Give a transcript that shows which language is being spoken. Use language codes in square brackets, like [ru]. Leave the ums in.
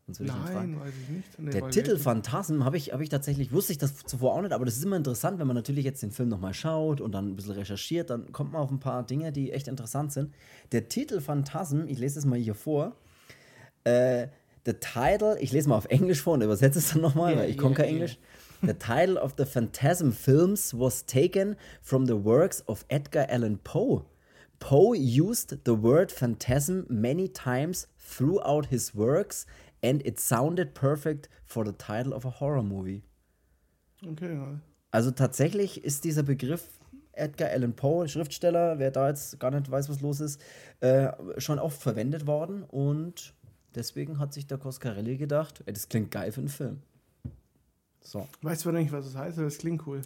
[de] Sonst würde ich Nein, weiß ich also nicht. der, der Titel Welt. Phantasm habe ich, hab ich tatsächlich, wusste ich das zuvor auch nicht, aber das ist immer interessant, wenn man natürlich jetzt den Film nochmal schaut und dann ein bisschen recherchiert, dann kommt man auf ein paar Dinge, die echt interessant sind. Der Titel Phantasm, ich lese es mal hier vor. Äh, [en] the title, [de] ich lese mal auf Englisch vor und übersetze es dann nochmal, yeah, weil ich yeah, komme yeah, kein yeah. Englisch. [en] The title of the Phantasm films was taken from the works of Edgar Allan Poe. Poe used the word phantasm many times throughout his works and it sounded perfect for the title of a horror movie. Okay. [de] Also tatsächlich ist dieser Begriff Edgar Allan Poe, Schriftsteller, wer da jetzt gar nicht weiß, was los ist, äh, schon oft verwendet worden und deswegen hat sich der Coscarelli gedacht, ey, das klingt geil für einen Film. So. Weißt du nicht, was es das heißt, aber es klingt cool.